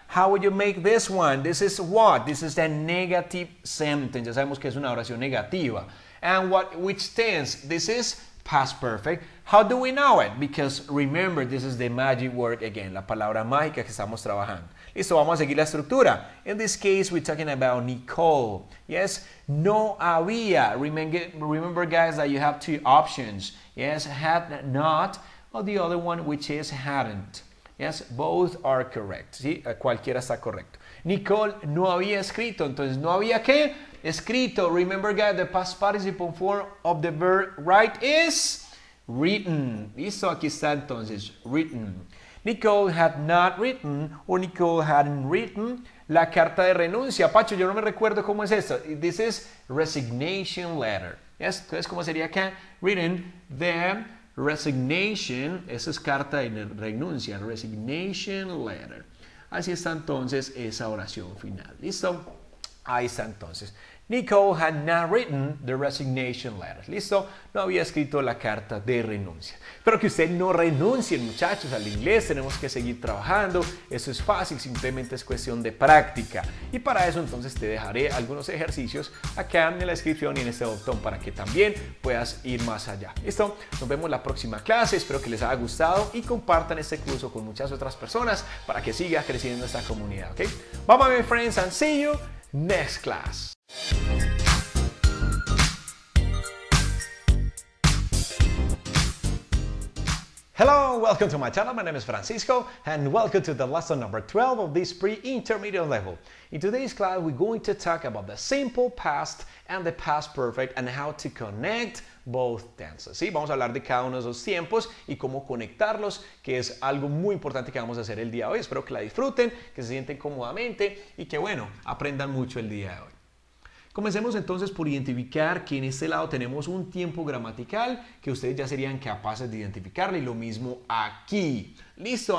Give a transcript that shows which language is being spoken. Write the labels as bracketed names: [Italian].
[English] How would you make this one? This is what? This is a negative sentence. [Spanish] Ya sabemos que es una oración negativa. [English] And what, which tense? This is past perfect. How do we know it? Because remember, this is the magic word again. [Spanish] La palabra mágica que estamos trabajando. Listo, vamos a seguir la estructura. [English] In this case, we're talking about Nicole. Yes, [Spanish] no había. [English] Remember, guys, that you have 2 options. Yes, had not, or the other one, which is hadn't. Yes, both are correct. [Spanish] ¿Sí? Cualquiera está correcto. Nicole no había escrito. Entonces, ¿no había qué? Escrito. [English] Remember, guys, the past participle form of the verb write is written. [Spanish] Listo, aquí está entonces, [English] written. Nicole had not written, or Nicole hadn't written, [Spanish] la carta de renuncia. Pacho, yo no me recuerdo cómo es esto. [English] This is resignation letter. Yes, [Spanish] entonces, ¿cómo sería acá? [English] Written the resignation, [Spanish] esa es carta de renuncia, [English] resignation letter. [Spanish] Así está entonces esa oración final. ¿Listo? Ahí está entonces. [English] Nicole had not written the resignation letter. [Spanish] ¿Listo? No había escrito la carta de renuncia. Pero que usted no renuncie, muchachos, al inglés. Tenemos que seguir trabajando. Eso es fácil. Simplemente es cuestión de práctica. Y para eso, entonces, te dejaré algunos ejercicios acá en la descripción y en este botón para que también puedas ir más allá. ¿Listo? Nos vemos la próxima clase. Espero que les haya gustado y compartan este curso con muchas otras personas para que siga creciendo esta comunidad. ¿Ok? [English] Bye, bye, my friends, and see you next class. Hello, welcome to my channel. My name is Francisco and welcome to the lesson number 12 of this pre-intermediate level. In today's class, we're going to talk about the simple past and the past perfect and how to connect both tenses. [Spanish] ¿Sí? Vamos a hablar de cada uno de esos tiempos y cómo conectarlos, que es algo muy importante que vamos a hacer el día de hoy. Espero que la disfruten, que se sienten cómodamente y que, bueno, aprendan mucho el día de hoy. Comencemos entonces por identificar que en este lado tenemos un tiempo gramatical que ustedes ya serían capaces de identificarle y lo mismo aquí. ¿Listo?